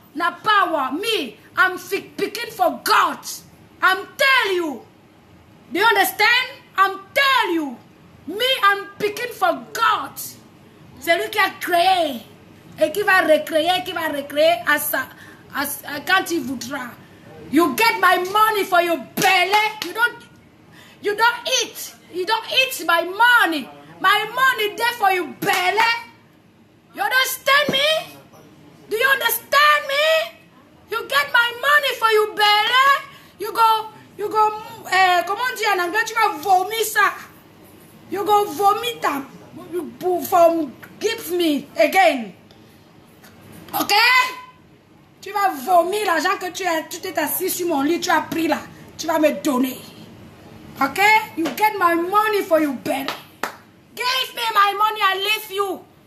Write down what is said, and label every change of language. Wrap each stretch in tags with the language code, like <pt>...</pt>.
<en>Na power, me, I'm speaking for God. I'm tell you. Do you understand? I'm tell you. Me, I'm speaking for God.</en> <fr>C'est lui qui a créé. et qui va recréer, à sa, quand il voudra.</fr> <en>You get my money for your belly. You don't eat. You don't eat my money. My money there for your belly. You understand me? Do you understand me? You get my money for your belly. You go.</en> <fr>Comment dire en anglais? Tu vas vomir ça.</fr> <en>You go vomit from give me again. Ok?</en> <fr>Tu vas vomir l'argent que tu as. Tu t'es assis sur mon lit, tu as pris là. Tu vas me donner. Ok?</fr> <en>You get my money for your belly. Give me my money, I leave you.</en>